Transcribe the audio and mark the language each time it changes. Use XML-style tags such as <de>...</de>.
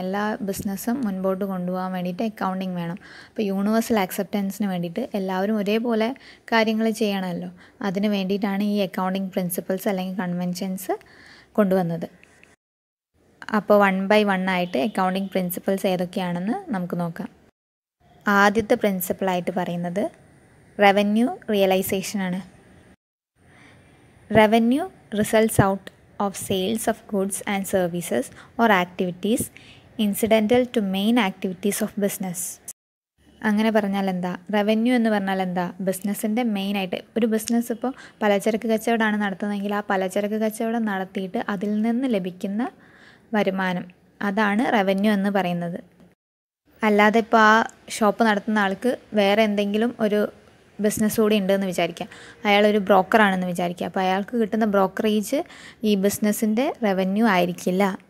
<ml>എല്ലാ ബിസിനസ്സും മുൻപോട്ട് കൊണ്ടുപോകാൻ വേണ്ടിയിട്ട് അക്കൗണ്ടിങ് വേണം. അപ്പോൾ യൂണിവേഴ്സൽ അക്സെപ്റ്റൻസിന് വേണ്ടിയിട്ട് എല്ലാവരും ഒരേപോലെ കാര്യങ്ങൾ ചെയ്യണമല്ലോ, അതിന് വേണ്ടിയിട്ടാണ് ഈ അക്കൗണ്ടിങ് പ്രിൻസിപ്പിൾസ് അല്ലെങ്കിൽ കൺവെൻഷൻസ് കൊണ്ടുവന്നത്. അപ്പോൾ വൺ ബൈ വൺ ആയിട്ട് അക്കൗണ്ടിങ് പ്രിൻസിപ്പിൾസ് ഏതൊക്കെയാണെന്ന് നമുക്ക് നോക്കാം. ആദ്യത്തെ പ്രിൻസിപ്പിളായിട്ട് പറയുന്നത് revenue റിയലൈസേഷനാണ്.</ml> <en>Revenue results out of sales of goods and services or activities incidental to main activities of business.</en> <ml>അങ്ങനെ പറഞ്ഞാൽ എന്താ, റവന്യൂ എന്ന് പറഞ്ഞാൽ എന്താ, ബിസിനസ്സിൻ്റെ മെയിനായിട്ട്. ഒരു ബിസിനസ് ഇപ്പോൾ പലചരക്ക് കച്ചവടമാണ് നടത്തുന്നതെങ്കിൽ ആ പലചരക്ക് കച്ചവടം നടത്തിയിട്ട് അതിൽ നിന്ന് ലഭിക്കുന്ന വരുമാനം, അതാണ് റവന്യൂ എന്ന് പറയുന്നത്. അല്ലാതെ ഇപ്പോൾ ആ ഷോപ്പ് നടത്തുന്ന ആൾക്ക് വേറെ എന്തെങ്കിലും ഒരു ബിസിനസ് കൂടി ഉണ്ടെന്ന് വിചാരിക്കാം, അയാളൊരു ബ്രോക്കറാണെന്ന് വിചാരിക്കുക, അപ്പോൾ അയാൾക്ക് കിട്ടുന്ന ബ്രോക്കറേജ് ഈ ബിസിനസ്സിൻ്റെ റവന്യൂ ആയിരിക്കില്ല.</ml>